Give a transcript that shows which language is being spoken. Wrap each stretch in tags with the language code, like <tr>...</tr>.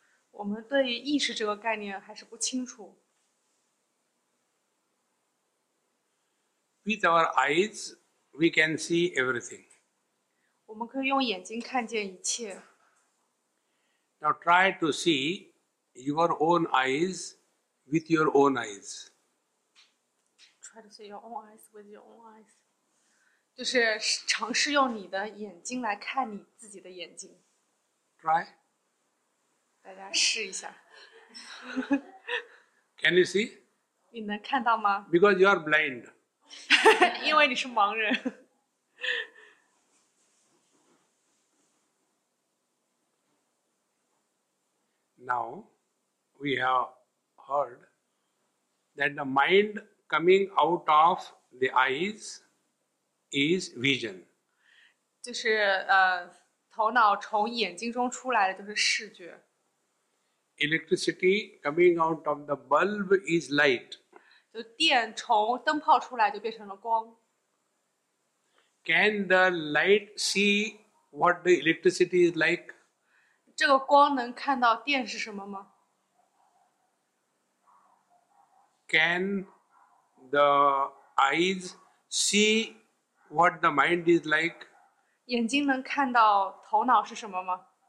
<zh>我们对于意识这个概念还是不清楚。</zh> <en>With our eyes, we can see everything.</en> <zh>我们可以用眼睛看见一切。</zh> <en>Now try to see your own eyes with your own eyes. Try to see your own eyes with your own eyes.</en> <zh>就是尝试用你的眼睛来看你自己的眼睛。</zh> <en>Try.</en> <zh>大家试一下。</zh> <en>Can you see?</en> <zh>你能看到吗?</zh> <en>Because you are blind.</en> <zh>因为你是盲人。</zh> <en>Now, we have heard that the mind coming out of the eyes is vision.</en> <zh>就是, 头脑从眼睛中出来的就是视觉。</zh> <en>Electricity coming out of the bulb is light.</en> <zh>就电从灯泡出来就变成了光。</zh> <en>Can the light see what the electricity is like?</en> <zh>这个光能看到电是什么吗?</zh> <en>Can the eyes see what the mind is like?</en> <zh>眼睛能看到头脑是什么吗?</zh>